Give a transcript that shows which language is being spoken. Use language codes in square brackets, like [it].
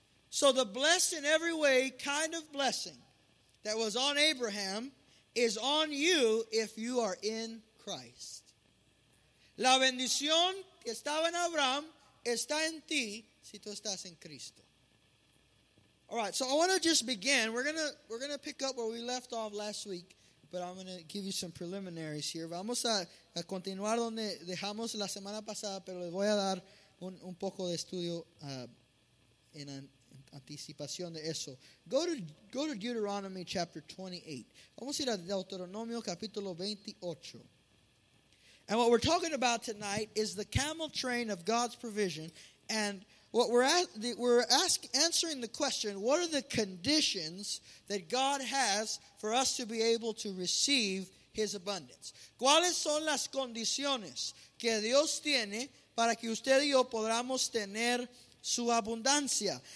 [en] So the blessed in every way kind of blessing that was on Abraham is on you if you are in Christ. [es] La bendición que estaba en Abraham está en ti si tú estás en Cristo. [en] All right, so I want to just begin. We're gonna pick up where we left off last week, but I'm going to give you some preliminaries here. [es] Vamos a continuar donde dejamos la semana pasada, pero les voy a dar un poco de estudio en anticipación de eso. [en] Go to Deuteronomy chapter 28. [es] Vamos a ir a Deuteronomio capítulo 28. [en] And what we're talking about tonight is the camel train of God's provision. And what we're answering the question, what are the conditions that God has for us to be able to receive his abundance? [es] ¿Cuáles son las condiciones que Dios tiene para que usted y yo podamos tener su abundancia?